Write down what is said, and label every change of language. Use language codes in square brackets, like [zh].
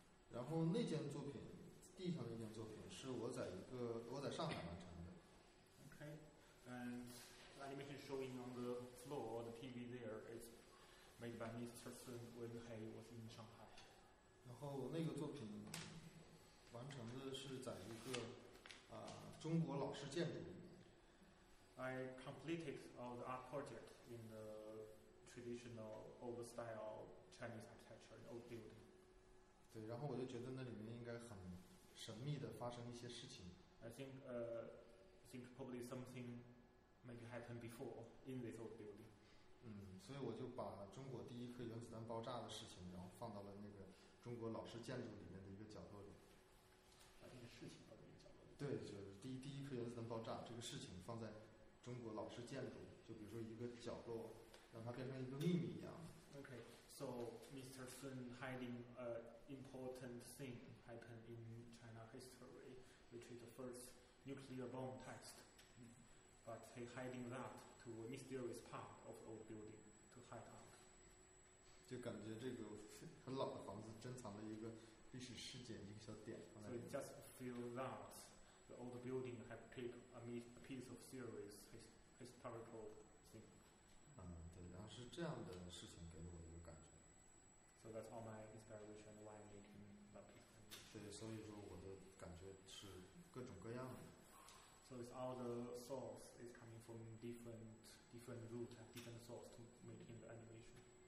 [zh] 然后那件作品，地上的一件作品，是我在上海完成的。 [en] Okay, and the animation showing on the floor, the TV there is made by Mr. Sun when he was in Shanghai. [zh] 然后那个作品完成的是在一个中国老式建筑里面。 [en] I completed all the art project in the traditional old style Chinese architecture, old building. [zh] 对，然后我就觉得那里面应该很神秘的发生一些事情。 [en] I think probably something may happen before in this old building. [zh] 所以我就把中国第一颗原子弹爆炸的事情，然后放到了那个中国老式建筑里面的一个角落里。把这个事情放在一个角落里。对，就是第一颗原子弹爆炸这个事情放在中国老式建筑，就比如说一个角落，让它变成一个秘密一样。 [en] Okay, so Mr. Sun hiding a important thing happened in China history, which is the first nuclear bomb test. But he hiding that to a mysterious part of the old building to hide out. [zh] 就感觉这个很老的房子珍藏了一个历史事件，一个小点。 [en] So just feel that the old building have kept a piece of zero is historical thing. [zh] 嗯，对，然后是这样的事情给了我一个感觉。 [en] So that's all my inspiration why I'm making that piece. [zh] 对，所以说我的感觉是各种各样的。 [en] So it's all the source is coming from different route, different source to making the animation.